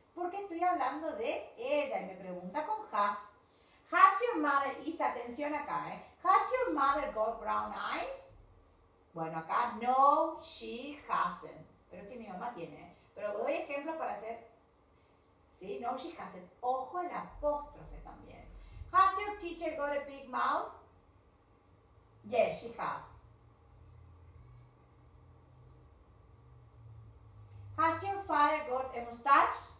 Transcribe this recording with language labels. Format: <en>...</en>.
<es>Porque estoy hablando de ella y me pregunta con has.</es> <en>Has your mother,</en> <es>y atención acá, ¿eh?</es> <en>Has your mother got brown eyes?</en> <es>Bueno, acá no,</es> <en>she hasn't.</en> <es>Pero sí, mi mamá tiene. Pero doy ejemplo para hacer, ¿sí? No,</es> <en>she hasn't.</en> <es>Ojo el apóstrofe también.</es> <en>Has your teacher got a big mouth? Yes, she has. Has your father got a mustache?</en>